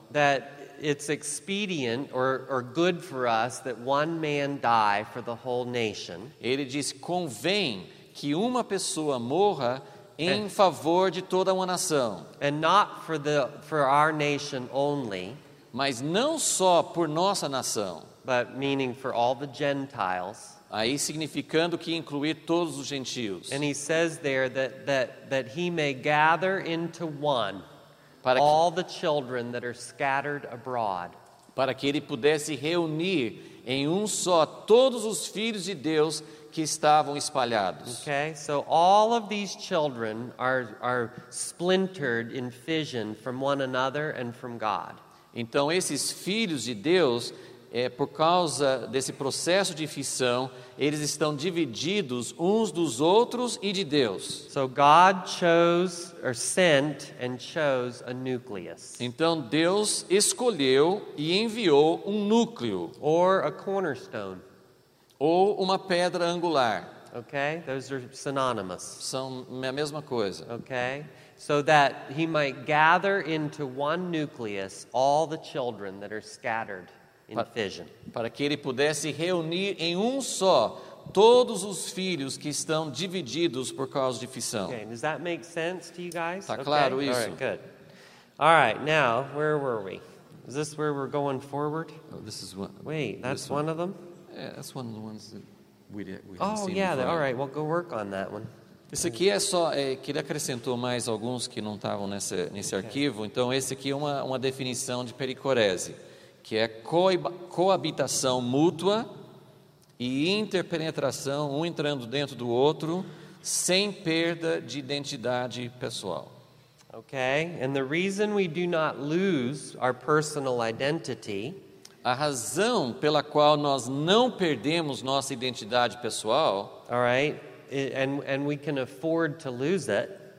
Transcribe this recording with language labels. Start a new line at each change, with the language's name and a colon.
English: that it's expedient or good for us that one man die for the whole nation.
Portuguese: Ele disse convém que uma pessoa morra em favor de toda uma nação.
English: And not for our nation only,
Portuguese: mas não só por nossa nação,
English: but meaning for all the Gentiles.
Portuguese: Aí significando que incluir todos os gentios.
English: And he says there that he may gather into one all the children that are scattered abroad.
Portuguese: Para que ele pudesse reunir em um só todos os filhos de Deus que estavam espalhados.
English: Okay, so all of these children are splintered in fission from one another and from God.
Portuguese: Então esses filhos de Deus, por causa desse processo de fissão, eles estão divididos uns dos outros e de Deus.
English: So God chose or sent and chose a nucleus.
Portuguese: Então Deus escolheu e enviou um núcleo.
English: Or a cornerstone.
Portuguese: Ou uma pedra angular.
English: Okay, those are synonymous.
Portuguese: São a mesma coisa.
English: Okay. So that he might gather into one nucleus all the children that are scattered in fission.
Portuguese: Para que ele pudesse reunir em um só todos os filhos que estão divididos por causa de fissão.
English: Okay, does that make sense to you guys?
Portuguese: Tá claro isso?
English: All right, good. All right, now, where were we? Is this where we're going forward? Oh, this is one. Wait, that's one of them? Yeah, that's one of the ones that we haven't seen before. All right, well, go work on that one.
Portuguese: Esse aqui é só, que ele acrescentou mais alguns que não estavam nesse arquivo. Então, esse aqui é uma definição de pericorese, que é coabitação mútua e interpenetração, um entrando dentro do outro, sem perda de identidade pessoal.
English: Ok, and the reason we do not lose our personal identity.
Portuguese: A razão pela qual nós não perdemos nossa identidade pessoal.
English: All right. And we can afford to lose it.